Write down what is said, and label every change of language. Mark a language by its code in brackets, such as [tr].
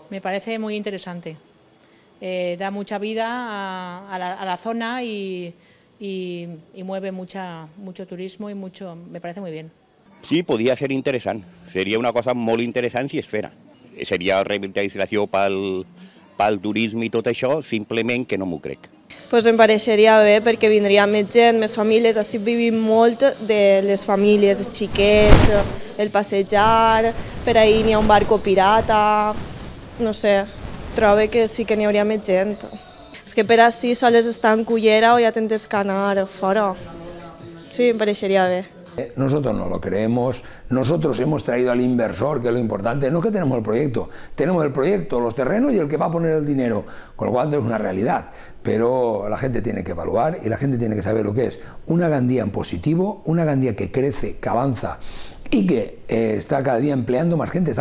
[es] Me parece muy interesante, da mucha vida a la zona y mueve mucho turismo y mucho, me parece muy bien. Sí, podía ser interesante, sería una cosa muy interesante si es fuera. Sería revitalización para el turismo y todo eso, simplemente que no me creo. [ca] Pues em pareixeria bé perquè vindria més gent, més famílies, així vivim molt de les famílies, els xiquets, el passejar, per ahí n'hi ha un barco pirata, no sé, trobo que sí que n'hi hauria més gent. És que per ací soles estar en cullera o ja tens que anar fora. Sí, em pareixeria bé. [es] Nosotros no lo creemos, nosotros hemos traído al inversor, que es lo importante, no que tenemos el proyecto, los terrenos y el que va a poner el dinero, con lo cual es una realidad, pero la gente tiene que evaluar y la gente tiene que saber lo que es una Gandía en positivo, una Gandía que crece, que avanza y que está cada día empleando más gente.